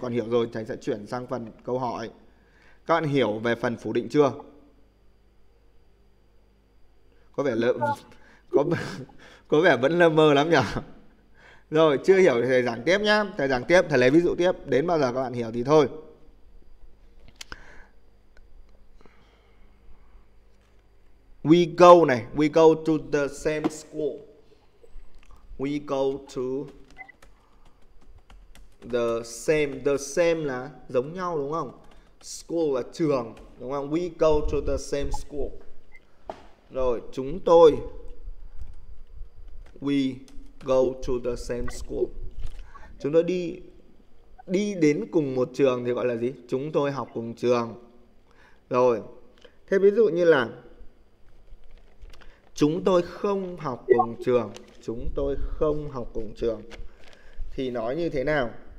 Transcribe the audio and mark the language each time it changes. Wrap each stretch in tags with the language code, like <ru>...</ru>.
<vi>Còn hiểu rồi, thầy sẽ chuyển sang phần câu hỏi. Các bạn hiểu về phần phủ định chưa? Có vẻ lỡ... có vẻ vẫn lơ mơ lắm nhỉ? Rồi, chưa hiểu thì thầy giảng tiếp nhá. Thầy giảng tiếp, thầy lấy ví dụ tiếp. Đến bao giờ các bạn hiểu thì thôi.</vi> <en>We go này, we go to the same school. We go to the same</en> <vi>là giống nhau đúng không? School là trường đúng không?</vi> <en>We go to the same school.</en> <vi>Rồi, chúng tôi</vi> <en>we go to the same school.</en> <vi>Chúng tôi đi đi đến cùng một trường thì gọi là gì? Chúng tôi học cùng trường. Rồi. Thế ví dụ như là chúng tôi không học cùng trường, chúng tôi không học cùng trường thì nói như thế nào?</vi>